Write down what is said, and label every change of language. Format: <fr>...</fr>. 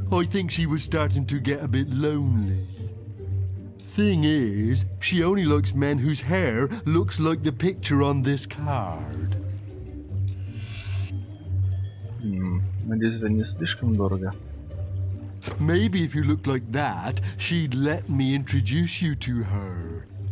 <en>I think she was starting to get a bit lonely. Thing is, she only likes men whose hair looks like the picture on this card.</en> <ru>Надеюсь, это не слишком дорого.</ru> <en>Maybe if you looked like that, she'd let me introduce you to her.</en>